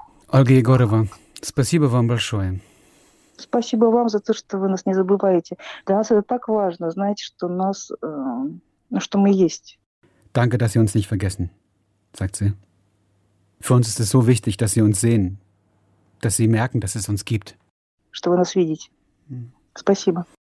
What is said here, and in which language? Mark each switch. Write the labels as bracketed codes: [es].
[ru] Olga Егорова, спасибо вам большое. Спасибо вам за то, что вы нас не забываете. Для нас это так важно, знаете, что нас, что мы есть. [de] Danke, dass Sie uns nicht vergessen, sagt sie. Für uns ist es so wichtig, dass Sie uns sehen, dass Sie merken, dass es uns gibt. [ru] Что вы нас видите. Спасибо.